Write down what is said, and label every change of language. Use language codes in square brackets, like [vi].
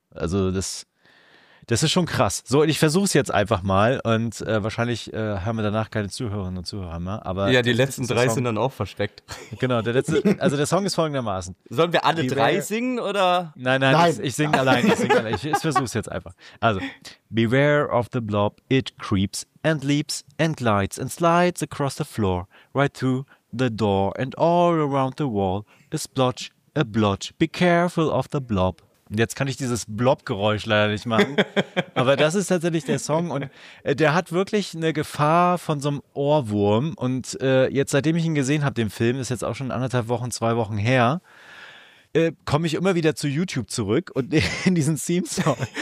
[de] Also das ist schon krass. So, ich versuche es jetzt einfach mal und wahrscheinlich hören wir danach keine Zuhörerinnen und Zuhörer mehr. Aber ja, die letzten drei sind dann auch versteckt. Genau, der Song ist folgendermaßen. Sollen wir alle drei singen oder? Nein. Ich singe allein. Ich versuche es jetzt einfach. [en] Also, beware of the blob, it creeps and leaps and glides and slides across the floor right through the door and all around the wall is blotch, a blotch. Be careful of the blob. [de] Jetzt kann ich dieses Blob-Geräusch leider nicht machen. Aber das ist tatsächlich der Song und der hat wirklich eine Gefahr von so einem Ohrwurm. Und jetzt, seitdem ich ihn gesehen habe, den Film, ist jetzt auch schon anderthalb Wochen, zwei Wochen her, komme ich immer wieder zu YouTube zurück und in diesen Theme-Song.